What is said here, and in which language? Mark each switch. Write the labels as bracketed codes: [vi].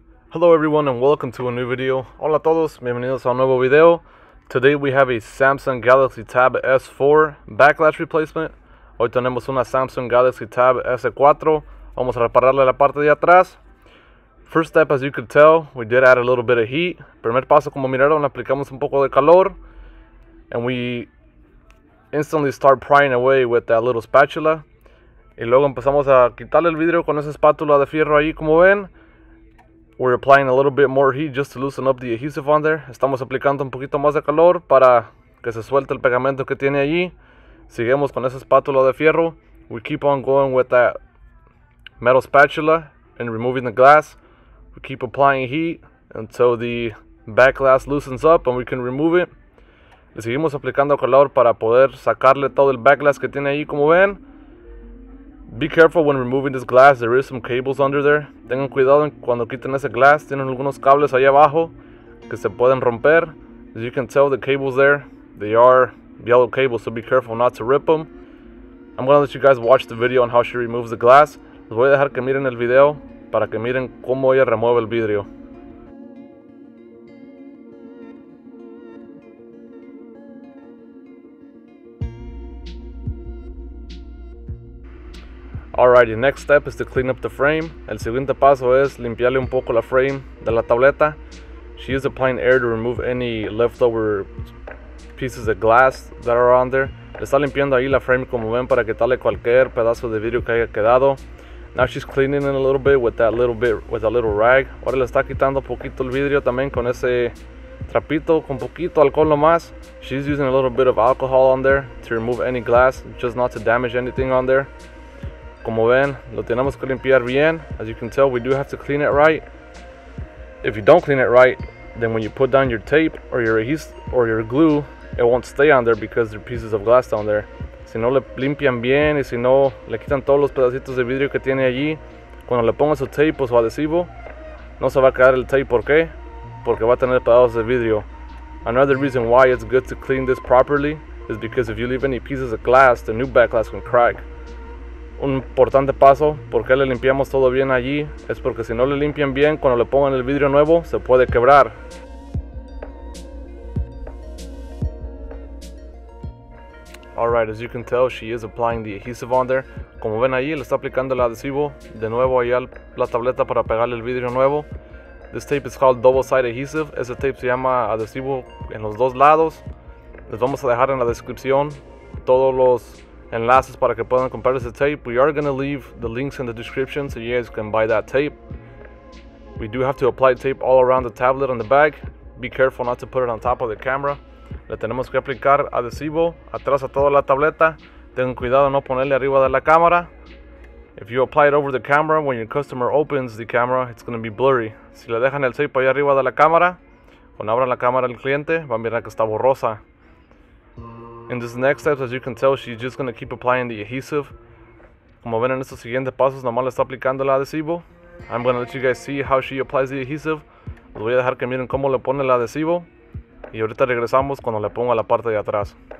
[en] Hello everyone and welcome to a new video. [es] Hola a todos, bienvenidos a un nuevo video. [en] Today we have a Samsung Galaxy Tab S4 backlash replacement. [es] Hoy tenemos una Samsung Galaxy Tab S4. Vamos a repararle la parte de atrás. [en] First step, as you could tell, we did add a little bit of heat. [es] Primer paso, como miraron, aplicamos un poco de calor. [en] And we instantly start prying away with that little spatula. [es] Y luego empezamos a quitarle el vidrio con esa espátula de fierro ahí, como ven. [en] We're applying a little bit more heat just to loosen up the adhesive on there. [es] Estamos aplicando un poquito más de calor para que se suelte el pegamento que tiene allí. Seguimos con esa espátula de fierro. [en] We keep on going with that metal spatula and removing the glass. We keep applying heat until the back glass loosens up and we can remove it. [es] Le seguimos aplicando calor para poder sacarle todo el back glass que tiene allí, como ven. [en] Be careful when removing this glass, there is some cables under there. [es] Tengan cuidado cuando quiten ese glass, tienen algunos cables ahí abajo que se pueden romper. [en] As you can tell, the cables there, they are yellow cables, so be careful not to rip them. I'm gonna let you guys watch the video on how she removes the glass. [es] Les voy a dejar que miren el video para que miren cómo ella remueve el vidrio. [en] Alrighty, next step is to clean up the frame. [es] El siguiente paso es limpiarle un poco la frame de la tableta. [en] She used applying air to remove any leftover pieces of glass that are on there. [es] Le está limpiando ahí la frame, como ven, para quitarle cualquier pedazo de vidrio que haya quedado. [en] Now she's cleaning it a little bit with that little bit, with a little rag. [es] Ahora le está quitando poquito el vidrio también con ese trapito, con poquito alcohol nomás. [en] She's using a little bit of alcohol on there to remove any glass, just not to damage anything on there. [es] Como ven, lo tenemos que limpiar bien. [en] As you can tell, we do have to clean it right. If you don't clean it right, then when you put down your tape or your adhesive or your glue, it won't stay on there because there are pieces of glass down there. [es] Si no le limpian bien y si no le quitan todos los pedacitos de vidrio que tiene allí, cuando le pongan su tape o su adhesivo, no se va a quedar el tape. ¿Por qué? Porque va a tener pedazos de vidrio. [en] Another reason why it's good to clean this properly is because if you leave any pieces of glass, the new back glass can crack. [es] Un importante paso, ¿por qué le limpiamos todo bien allí? Es porque si no le limpian bien, cuando le pongan el vidrio nuevo, se puede quebrar. [en] Alright, as you can tell, she is applying the adhesive on there. [es] Como ven ahí, le está aplicando el adhesivo de nuevo ahí a la tableta para pegarle el vidrio nuevo. [en] This tape is called double-sided adhesive. [es] Ese tape se llama adhesivo en los dos lados. Les vamos a dejar en la descripción todos los enlaces para que puedan comprar ese tape. [en] We are gonna leave the links in the description so you guys can buy that tape. We do have to apply tape all around the tablet on the back. Be careful not to put it on top of the camera. [es] Le tenemos que aplicar adhesivo atrás a toda la tableta. Tengan cuidado no ponerle arriba de la cámara. [en] If you apply it over the camera, when your customer opens the camera, it's gonna be blurry. [es] Si le dejan el tape ahí arriba de la cámara, cuando abran la cámara el cliente, va a mirar que está borrosa. [en] In this next step, as you can tell, she's just gonna keep applying the adhesive. [es] Como ven en estos siguientes pasos, nomás le está aplicando el adhesivo. [en] I'm gonna let you guys see how she applies the adhesive. [es] Les voy a dejar que miren cómo le pone el adhesivo. Y ahorita regresamos cuando le ponga la parte de atrás.